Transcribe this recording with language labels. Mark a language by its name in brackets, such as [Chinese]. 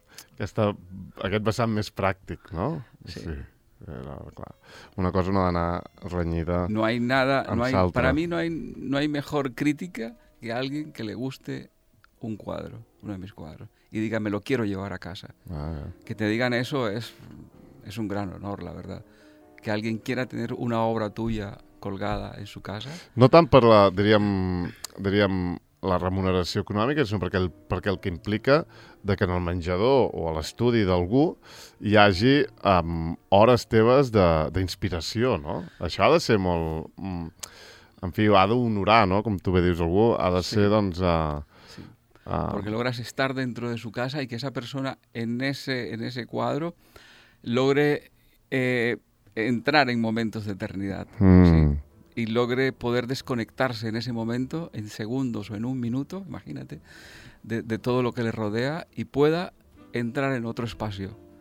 [Catalan] aquest vessant més pràctic, no? Sí. Era, clar. Una cosa no ha d'anar renyida. [Spanish] No hay nada, no hay, para mí no hay mejor crítica que alguien que le guste un cuadro, uno de mis cuadros, y diga: me lo quiero llevar a casa. Que te digan eso es un gran honor, la verdad. Que alguien quiera tener una obra tuya colgada en su casa. [Catalan] No tant per la, diríem la remuneració econòmica, sinó perquè el que implica de que en el menjador o a l'estudi d'algú hi hagi hores teves d'inspiració, no? Això ha de ser molt... En fi, ha d'honorar, no? Com tu bé dius, algú ha de ser, doncs... [Spanish] Porque logras estar dentro de su casa y que esa persona en ese cuadro logre entrar en momentos de eternidad. ¿Sí? Y logre poder desconectarse en ese momento, en segundos o en un minuto, imagínate, de todo lo que le rodea, y pueda entrar en otro espacio.